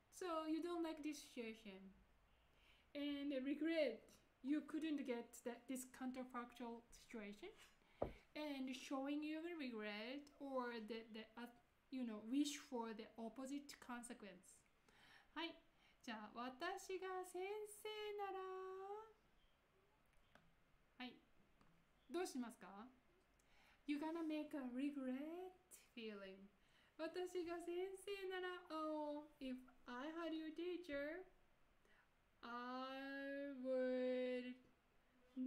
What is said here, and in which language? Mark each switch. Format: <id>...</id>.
<en>So you don't like this situation, and regret you couldn't get that this counterfactual situation, and showing your regret or the you know wish for the opposite consequence.</en> <ja>はい、じゃあ私が先生なら、はい、どうしますか？</ja> <en>You're gonna make a regret feeling.</en> <ja>私が先生なら、</ja> <en>oh, if I had your teacher, I would...</en>